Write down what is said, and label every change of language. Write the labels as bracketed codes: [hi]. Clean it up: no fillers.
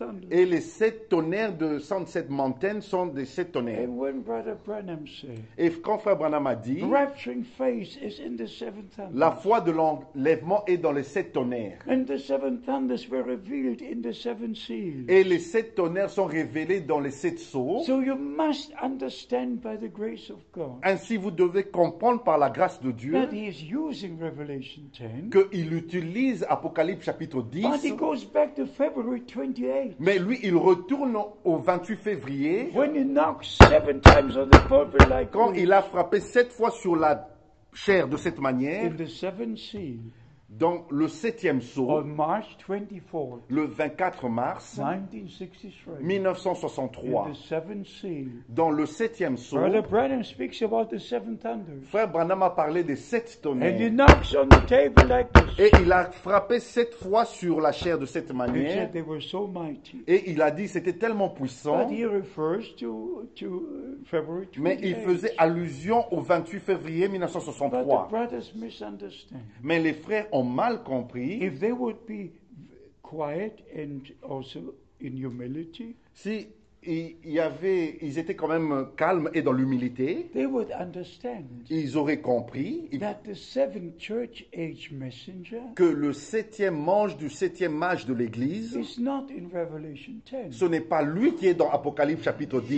[fr] Et les sept tonnerres de Sunset Mountain sont des sept tonnerres. [en] And when Brother Branham said, [fr] et quand Frère Branham a dit, [en] rapturing faith is in the seven thunders. [fr] La foi de l'enlèvement est dans les sept tonnerres. [en] And the seven thunders were revealed in the seven seals. [fr] Et les sept tonnerres bonheur sont révélés dans les sept sceaux. [en] So you must understand by the grace of God. [fr] Ainsi, vous devez comprendre par la grâce de Dieu [en] that he is using Revelation 10, [fr] qu'il utilise Apocalypse chapitre 10. [en] But he goes back to February 28. [fr] Mais lui, il retourne au 28 février. [en] When he knocks seven times on the pulpit like [fr] quand [en] this, [fr] il a frappé sept fois sur la chair de cette manière. [en] In the seventh seal. [fr] Dans le septième sceau, [en] on March 24, [fr] le 24 mars 1963, dans le septième sceau, [en] Brother Branham speaks about the seven thunders. [fr] Frère Branham a parlé des sept tonnerres. [en] And he knocks on the table like this. [fr] Et il a frappé sept fois sur la chair de cette manière. [en] He said they were so mighty. [fr] Et il a dit c'était tellement puissant. [en] But he refers to February 28. [fr] Mais il faisait allusion au 28 février 1963. [en] But the brothers misunderstand. [fr] Mais les frères ont mal compris. [en] If they would be quiet and also in humility, [fr] si ils étaient quand même calmes et dans l'humilité, [en] they would understand, [fr] ils auraient compris, [en] that the seventh church age messenger, [fr] que le septième ange du septième âge de l'Église, [en] is not in Revelation 10, [fr] ce n'est pas lui qui est dans Apocalypse chapitre 10,